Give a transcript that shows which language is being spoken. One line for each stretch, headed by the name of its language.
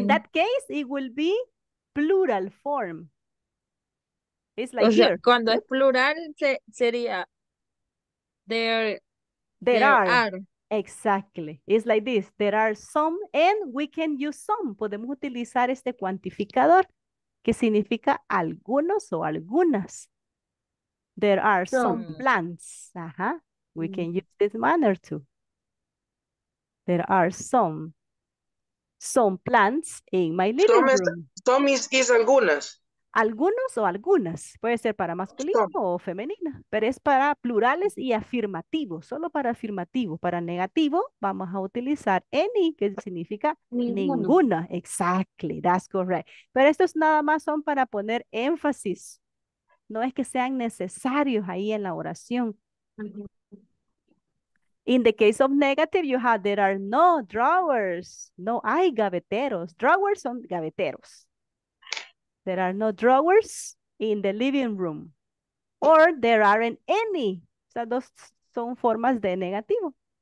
English: In that case, it will be plural form. It's like here.
Spanish: Sea, cuando es plural, sería
English: there are. Exactly. It's like this. There are some, and we can use some.
Spanish: Podemos utilizar este cuantificador, que significa algunos o algunas.
English: There are some plants. Ajá. We can use this manner too. There are some plants in my living room. Some is
Spanish: algunas. Algunos o algunas. Puede ser para masculino o femenina. Pero es para plurales y afirmativos. Solo para afirmativo. Para negativo, vamos a utilizar any, que significa ninguna.
English: Exactly. That's correct.
Spanish: Pero estos nada más son para poner énfasis. No es que sean necesarios ahí en la oración.
English: In the case of negative, you have there are no drawers.
Spanish: No hay gaveteros. Drawers son gaveteros.
English: There are no drawers in the living room. Or there aren't any.
Spanish: O sea, dos son formas de negativo.